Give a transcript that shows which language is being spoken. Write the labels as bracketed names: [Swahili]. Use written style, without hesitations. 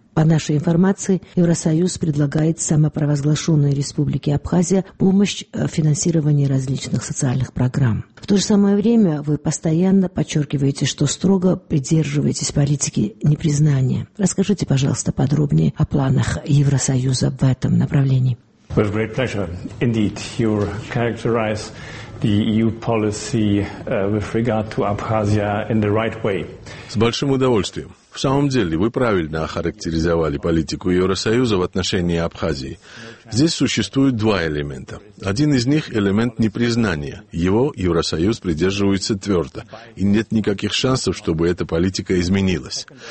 [Russian] По нашей информации, Евросоюз предлагает самопровозглашенной Республике Абхазия помощь в финансировании различных социальных программ. В то же самое время вы постоянно подчеркиваете, что строго придерживаетесь политики непризнания. Расскажите, пожалуйста, подробнее о планах Евросоюза в этом направлении. [English] With great pleasure. Indeed, you characterize the EU policy with regard to Abkhazia in the right way. [Russian] С большим удовольствием. В самом деле, вы правильно охарактеризовали политику Евросоюза в отношении Абхазии. Здесь существуют два элемента. Один из них – элемент непризнания. Его Евросоюз придерживается твердо, и нет никаких шансов, чтобы эта политика изменилась.